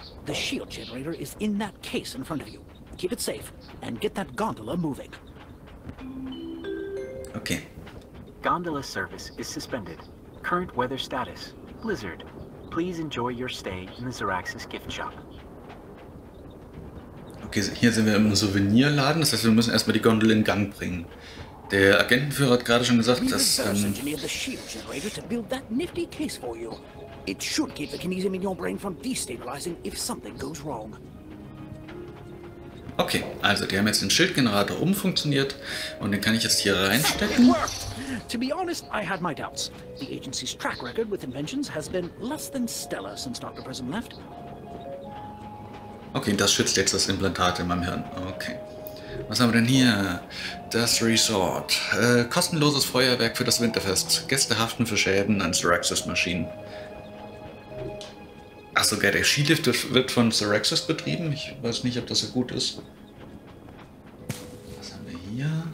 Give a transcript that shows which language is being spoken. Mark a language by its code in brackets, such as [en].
[en] The shield generator is in that case in front of you. Keep it safe and get that gondola moving. Okay. Gondola service is suspended. Current weather status: blizzard. Please enjoy your stay in the Zoraxis gift shop. [de] Okay, hier sind wir im Souvenirladen, das heißt, wir müssen erstmal die Gondel in Gang bringen. Der Agentenführer hat gerade schon gesagt, [en] We [de] dass. [en] reverse engineered the shield generator to build that nifty case for you. It should keep the kinesium in your brain from destabilizing if something goes wrong. [de] Okay, also die haben jetzt den Schildgenerator umfunktioniert und den kann ich jetzt hier reinstecken. [en] To be honest, I had my doubts. The agency's track record with inventions has been less than stellar since Dr. Prism left. [de] Okay, das schützt jetzt das Implantat in meinem Hirn. Okay. Was haben wir denn hier? Das Resort. Kostenloses Feuerwerk für das Winterfest. Gäste haften für Schäden an Syraxis-Maschinen. Achso, okay, der Skilift wird von Syraxis betrieben. Ich weiß nicht, ob das so gut ist. Was haben wir hier?